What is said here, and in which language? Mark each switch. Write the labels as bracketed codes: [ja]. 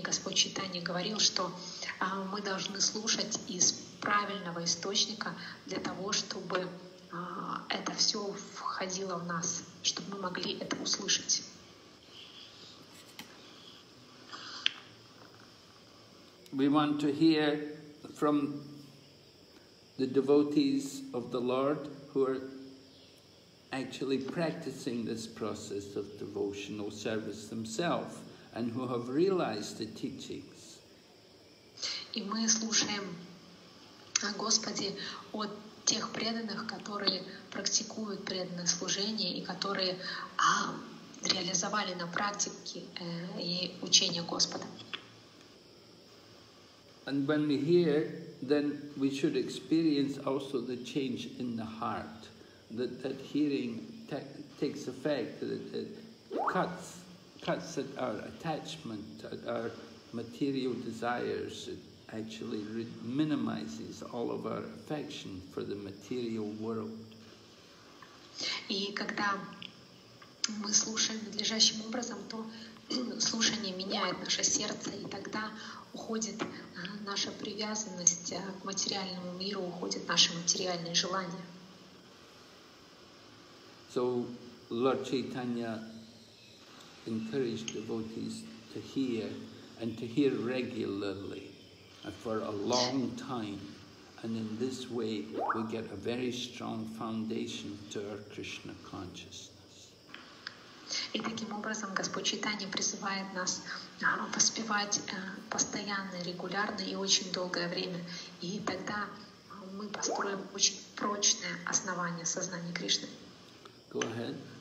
[ru] Господь Чайтанья говорил, что мы должны слушать из правильного источника для того, чтобы это все входило в нас, чтобы мы могли это услышать. [en] We want to hear from the devotees of the Lord who are actually practicing this process of devotional service themselves and who have realized the teachings. [ru] И мы слушаем о Господе от тех преданных, которые практикуют преданное служение и которые реализовали на практике и учение Господа. [en] And when we hear, then we should experience also the change in the heart, that hearing takes effect, that it cuts at our attachment, at our material desires. It actually minimizes all of our affection for the material world. [ru] И когда мы слушаем надлежащим образом, то слушание меняет наше сердце, и тогда уходит наша привязанность к материальному миру, уходит наше материальное желание. [en] So Lord Chaitanya encouraged devotees to hear regularly for a long time, and in this way we get a very strong foundation to our Krishna consciousness. [ru] И таким образом Господь Чайтанья призывает нас воспевать постоянно, регулярно и очень долгое время. И тогда мы построим очень прочное основание сознания Кришны. [en] Go ahead.